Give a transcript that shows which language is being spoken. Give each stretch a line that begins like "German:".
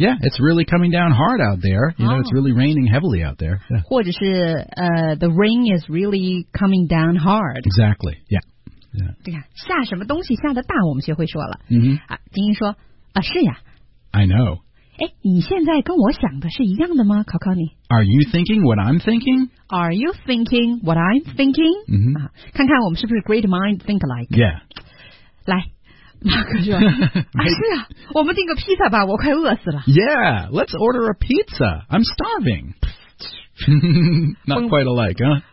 English: Yeah, it's really coming down hard out there. You know,、 oh. it's really raining heavily out there.、Yeah. 或者是、 the rain is really coming down hard. Exactly, yeah. yeah.
Chinese: 对啊，下什么东西下的大我们学会说了。 Mm-hmm. 啊、金英说啊，是呀。
English: I know.
Chinese: 哎，你现在跟我想的是一样的吗？考考你。
English: Are you thinking what I'm thinking? Are you thinking what I'm thinking?、 Mm-hmm.
Chinese: 啊、看看我们是不是 great mind think alike?
English: Yeah.
Chinese: 来，马克说，啊，是啊，我们订个披萨吧，我快饿死了。
English: Yeah, let's order a pizza. I'm starving. Not quite alike, huh?